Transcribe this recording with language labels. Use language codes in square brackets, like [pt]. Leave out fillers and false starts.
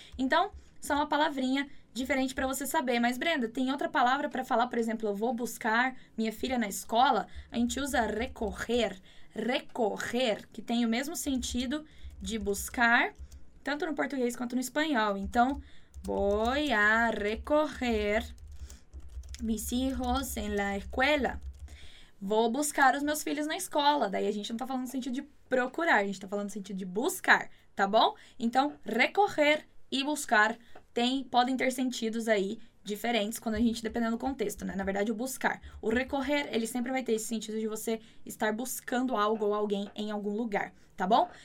[pt] Então, só uma palavrinha diferente para você saber. Mas, Brenda, tem outra palavra para falar, por exemplo, eu vou buscar minha filha na escola? A gente usa recorrer, recorrer, que tem o mesmo sentido de buscar, tanto no português quanto no espanhol. [es] Então, voy a recorrer mis hijos en la escuela. [pt] Vou buscar os meus filhos na escola. Daí a gente não tá falando no sentido de procurar, a gente tá falando no sentido de buscar, tá bom? Então, recorrer e buscar podem ter sentidos aí diferentes quando a gente, dependendo do contexto, né? Na verdade, o buscar. O recorrer, ele sempre vai ter esse sentido de você estar buscando algo ou alguém em algum lugar, tá bom?